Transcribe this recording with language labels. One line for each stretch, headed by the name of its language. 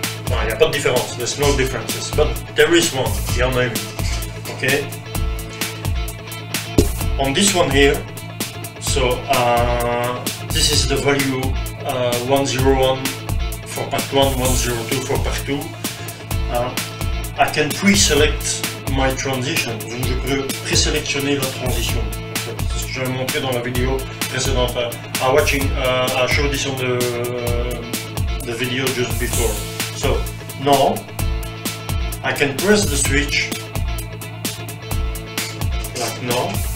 French: Non, il n'y a pas de différence,
English: there's no differences. But there is one,
French: il y en a une. Ok.
English: On this one here, so this is the value 101 for part 1, 102 for part 2. I can pre-select my transition.
French: Donc je peux pré-sélectionner la transition. Je vais vous montrer dans la vidéo précédente.
English: I showed this on the video just before. So now I can press the switch like now.